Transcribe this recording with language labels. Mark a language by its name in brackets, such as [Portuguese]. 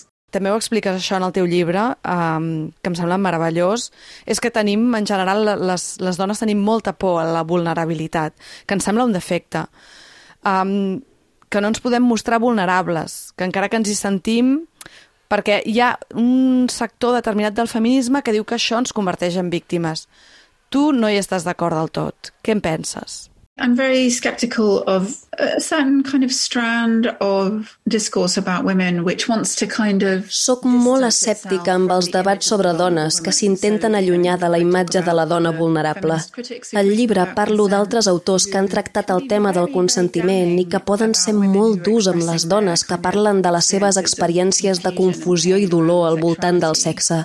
[Catalan] També ho expliques això en el teu llibre, que em sembla meravellós, és que tenim, en general, les dones tenim molta por a la vulnerabilitat, que ens sembla un defecte. Que no ens podem mostrar vulnerables, que encara que ens hi sentim... Perquè hi ha un sector determinat del feminisme que diu que això ens converteix en víctimes. Tu no hi estàs d'acord del tot. Què en penses? [English] I'm very skeptical of a certain kind of strand of discourse about women which wants to kind of [Catalan] Soc molt escèptica amb els debats sobre dones que s'intenten allunyar de la imatge de la dona vulnerable. Al llibre parlo d'altres autors que han tractat el tema del consentiment i que poden ser molt durs amb les dones que parlen de les seves experiències de confusió i dolor al voltant del sexe.